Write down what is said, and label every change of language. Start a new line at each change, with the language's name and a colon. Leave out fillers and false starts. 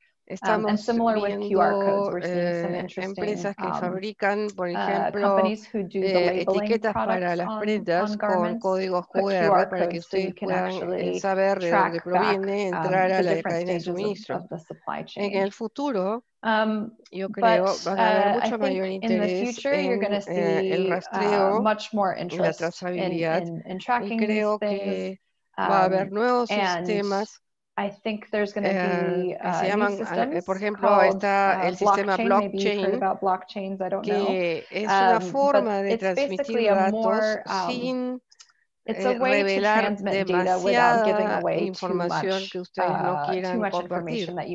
Spanish: Estamos viendo
English: with QR codes, we're some
Spanish: empresas que fabrican, por ejemplo, etiquetas para las prendas con códigos QR para que ustedes puedan saber de dónde proviene, entrar a la cadena de suministro. En el futuro, yo creo van a haber mucho mayor interés en el rastreo y la trazabilidad. Y creo que va a haber nuevos sistemas.
English: I think there's going to be new systems.
Spanish: Por ejemplo, está el sistema blockchain.
English: Maybe you've heard about blockchains. I don't
Spanish: que
English: know.
Spanish: Es una forma de transmitir datos sin revelar demasiada información que ustedes no quieran compartir.